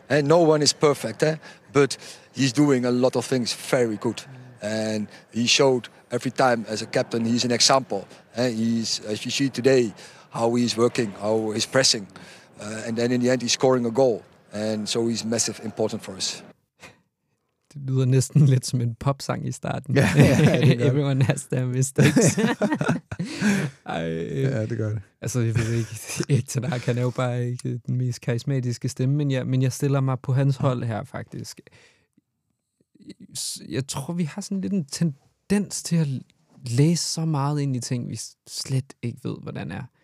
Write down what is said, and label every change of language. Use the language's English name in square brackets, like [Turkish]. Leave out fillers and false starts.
[English] And no one is perfect, but he's doing a lot of things very good. And he showed every time as a captain, he's an example. He's, as you see today, how he's working, how he's pressing. And then in the end, he's scoring a goal. And so he's massive important for us. [Danish] Det lyder næsten lidt som en popsang i starten. Ja, [English] everyone has their mistakes. [Danish] Ja, det gør det. Altså, jeg ved ikke, Tanaka er jo bare ikke den mest karismatiske stemme, men jeg stiller mig på hans hold her, faktisk. Jeg tror, vi har sådan lidt en tendens til at læse så meget ind i ting, vi slet ikke ved, hvordan er.